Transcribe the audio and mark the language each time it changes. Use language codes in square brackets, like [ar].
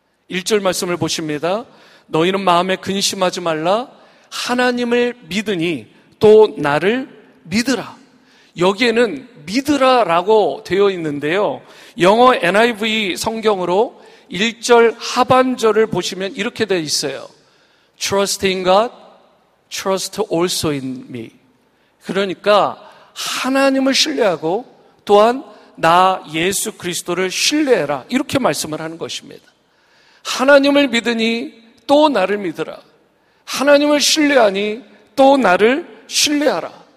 [ko] 1절 말씀을 보십니다. 너희는 마음에 근심하지 말라. 하나님을 믿으니 또 나를 믿으라. 여기에는 믿으라라고 되어 있는데요. 영어 NIV 성경으로 1절 하반절을 보시면 이렇게 되어 있어요. [en] Trust in God, trust also in me. [ko] 그러니까 하나님을 신뢰하고 또한 나 예수 그리스도를 신뢰해라. 이렇게 말씀을 하는 것입니다. 하나님을 믿으니 또 나를 믿으라. 하나님을 신뢰하니 또 나를 신뢰하라.